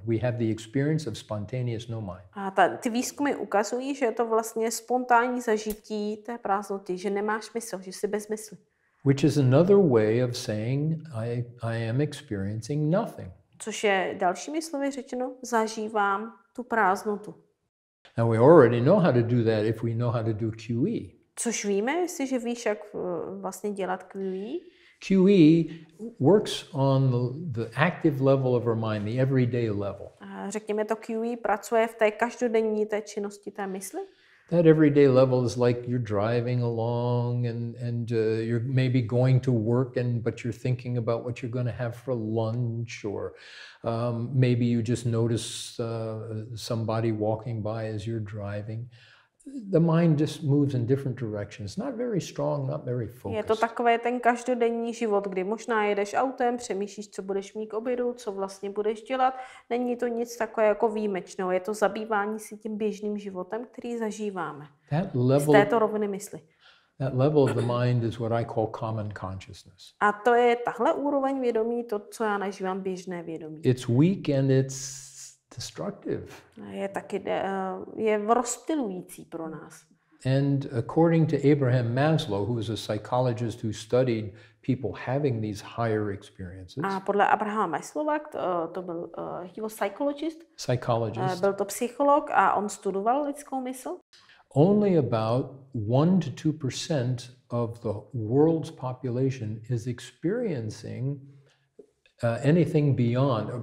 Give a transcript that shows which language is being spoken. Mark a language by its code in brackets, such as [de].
[en] We have the experience of spontaneous no mind. [cs] A ty výzkumy ukazují, že je to vlastně spontánní zažití té prázdnoty, že nemáš mysl, že jsi bez mysli. [en] Which is another way of saying I am experiencing nothing. [cs] Což je dalšími slovy řečeno, zažívám tu prázdnotu. [en] And we already know how to do that if we know how to do QE. [cs] Což víme, jestliže víš, jak vlastně dělat QE? [en] QE works on the active level of our mind, the everyday level. [cs] Řekněme to, QE pracuje v té každodenní té činnosti té mysli. [en] That everyday level is like you're driving along and you're maybe going to work but you're thinking about what you're going to have for lunch or maybe you just notice somebody walking by as you're driving. The mind just moves in different directions. Not very strong, not very focused. [cs] Je to takové ten každodenní život, kdy možná jedeš autem, přemýšlíš, co budeš mít k obědu, co vlastně budeš dělat. Není to nic takové jako výjimečného. Je to zabývání si tím běžným životem, který zažíváme. [en] That level, [cs] z této roviny mysli. [en] That level of the mind is what I call common consciousness. [cs] A to je tahle úroveň vědomí, to, co já nazývám běžné vědomí. [en] It's weak and it's destructive. [cs] Je taky je rozptylující pro nás. [en] And according to Abraham Maslow, who is a psychologist who studied people having these higher experiences. [cs] A podle Abrahama Maslowa, to byl jeho psychologist. Byl to psycholog a on studoval lidskou mysl. [en] Only about 1-2% of the world's population is experiencing anything beyond.